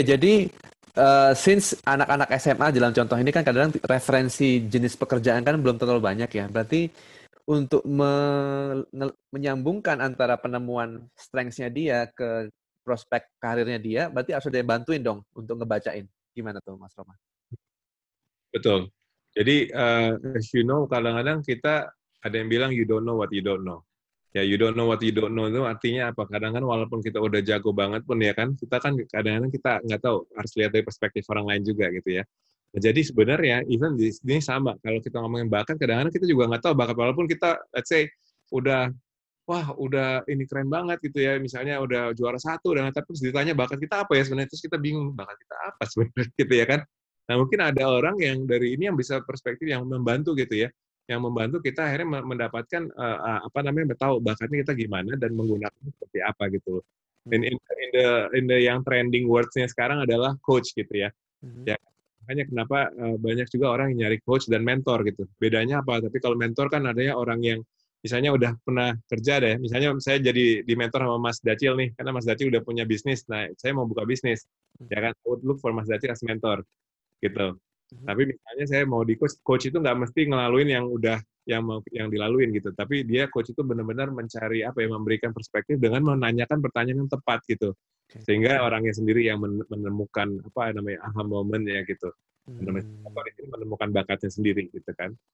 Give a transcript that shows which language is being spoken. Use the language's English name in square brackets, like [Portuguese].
[Indonesian] Jadi [English] since [Indonesian] anak-anak SMA dalam contoh ini kan kadang referensi jenis pekerjaan kan belum terlalu banyak ya. Berarti untuk menyambungkan antara penemuan strengths-nya dia ke prospek karirnya dia, berarti harus ada yang bantuin dong untuk ngebacain. Gimana tuh Mas Roma? Betul. Jadi [English] as you know, [Indonesian] kadang-kadang kita ada yang bilang [English] you don't know what you don't know. [Indonesian] ya [English] you don't know what you don't know [Indonesian] itu artinya apa? Kadang kan walaupun kita udah jago banget pun ya kan, kita kan kadang-kadang kita nggak tahu, harus lihat dari perspektif orang lain juga gitu ya. Nah, jadi sebenarnya even ini sama, kalau kita ngomongin bakat, kadang-kadang kita juga nggak tahu bakat, walaupun kita [English] let's say [Indonesian] udah, wah udah ini keren banget gitu ya, misalnya udah juara satu, dan tapi terus ditanya bakat kita apa ya sebenarnya, terus kita bingung bakat kita apa sebenarnya gitu ya kan. Nah mungkin ada orang yang dari ini yang bisa perspektif yang membantu gitu ya, yang membantu kita akhirnya mendapatkan apa namanya, tahu bakatnya kita gimana dan menggunakannya seperti apa gitu. Dan [English] in the [Indonesian] yang [English] trending words- [Indonesian] nya sekarang adalah coach gitu ya. Mm-hmm. Ya makanya kenapa banyak juga orang yang nyari coach dan mentor gitu. Bedanya apa? Tapi kalau mentor kan adanya orang yang misalnya udah pernah kerja deh. Misalnya saya jadi di mentor sama Mas Dacil nih, karena Mas Dacil udah punya bisnis. Nah saya mau buka bisnis, mm-hmm. ya kan? [English] I would look for Mas Dacil as mentor [Indonesian] gitu. Tapi misalnya saya mau di coach itu nggak mesti ngelaluin yang udah yang dilaluin gitu, tapi dia coach itu benar-benar mencari apa ya, memberikan perspektif dengan menanyakan pertanyaan yang tepat gitu, sehingga orangnya sendiri yang menemukan apa namanya aha moment ya gitu, menemukan bakatnya sendiri gitu kan.